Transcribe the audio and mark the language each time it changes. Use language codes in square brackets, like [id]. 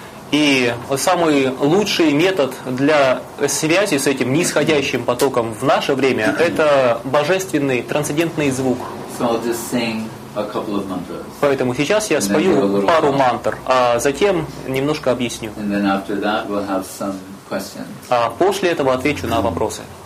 [ru] И самый лучший метод для связи с этим нисходящим потоком в наше время это божественный трансцендентный звук. [en] So I'll just sing a couple of mantras. [ru] Поэтому сейчас я спою пару мантр, а затем немножко объясню. [en] And then after that we'll have some questions. [ru] А после этого отвечу на вопросы.